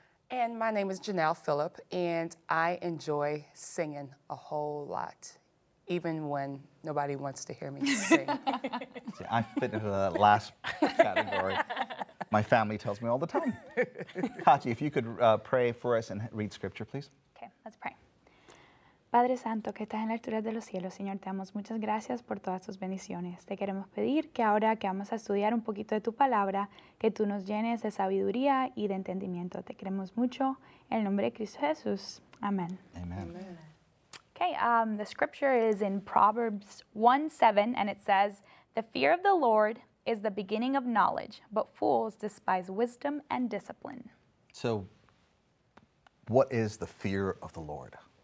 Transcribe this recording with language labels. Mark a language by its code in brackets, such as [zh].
[en] And my name is Janelle Phillip, and I enjoy singing a whole lot, even when nobody wants to hear me sing. See, I fit into that last category. My family tells me all the time. Katya, if you could pray for us and read scripture, please. Okay, let's pray. [es] Padre Santo, que estás en la altura de los cielos, Señor, te damos muchas gracias por todas tus bendiciones. Te queremos pedir que ahora que vamos a estudiar un poquito de tu palabra, que tú nos llenes de sabiduría y de entendimiento. Te queremos mucho. En el nombre de Cristo Jesús. Amén. Amén. [en] Okay, the scripture is in Proverbs 1:7, and it says, "The fear of the Lord is the beginning of knowledge, but fools despise wisdom and discipline." So, what is the fear of the Lord?